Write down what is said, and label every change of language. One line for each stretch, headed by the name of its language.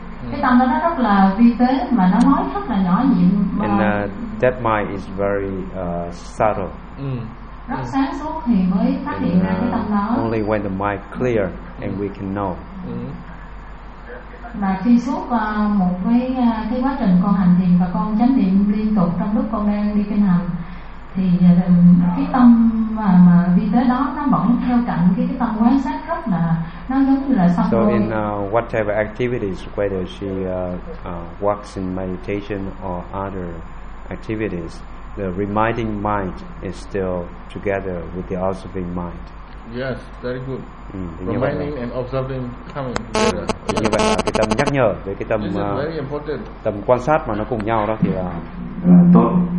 Vietnamese: Cái tâm đó nó rất là vi tế mà nó nói rất là nhỏ nhịn.
English: And that mind is very subtle.
Vietnamese: Rất sáng suốt thì mới phát hiện ra cái tâm đó.
English: Only when the mind clear and we can know.
Vietnamese: Mà khi suốt một cái quá trình con hành thiền và con chánh niệm liên tục trong lúc con đang đi kinh hành, thì cái tâm mà vi tế đó nó vẫn theo cạnh cái tâm quan sát rất là, nó giống như là song đôi.
English: So in whatever activities, whether she works in meditation or other activities, the reminding mind is still together with the observing mind. Yes, very good. Reminding and observing coming together.
Vietnamese: Như vậy là cái tâm nhắc nhở với cái tâm tâm quan sát mà nó cùng nhau đó thì là tốt.